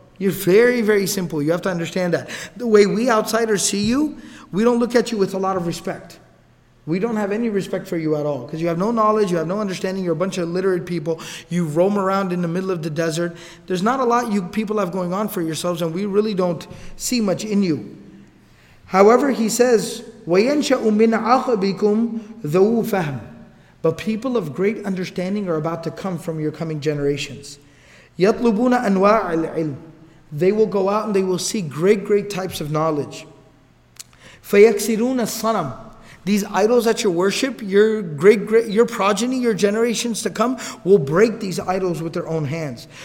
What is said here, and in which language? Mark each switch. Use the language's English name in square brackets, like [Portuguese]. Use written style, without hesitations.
[English] You're very, very simple. You have to understand that. The way we outsiders see you, we don't look at you with a lot of respect. We don't have any respect for you at all. Because you have no knowledge, you have no understanding, you're a bunch of illiterate people. You roam around in the middle of the desert. There's not a lot you people have going on for yourselves, and we really don't see much in you. However, he says, [Arabic] وَيَنْشَأُ مِنْ عَقَبِكُمْ ذَوُ فَهْمٍ. [English] But people of great understanding are about to come from your coming generations. [Arabic] يَطْلُبُونَ أَنْوَاعِ الْعِلْمِ. [English] They will go out and they will see great, great types of knowledge. [Arabic] فَيَكْسِرُونَ الصَّنَمْ. [English] These idols that you worship, your great, your progeny, your generations to come, will break these idols with their own hands.